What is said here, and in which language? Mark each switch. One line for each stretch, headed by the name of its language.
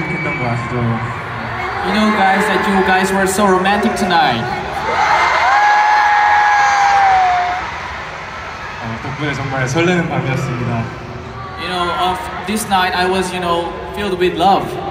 English: You know, guys, that you guys were so romantic tonight.
Korean: 정말 설레는 밤이었습니다.
English: You know, of this night I was, you know, filled with love.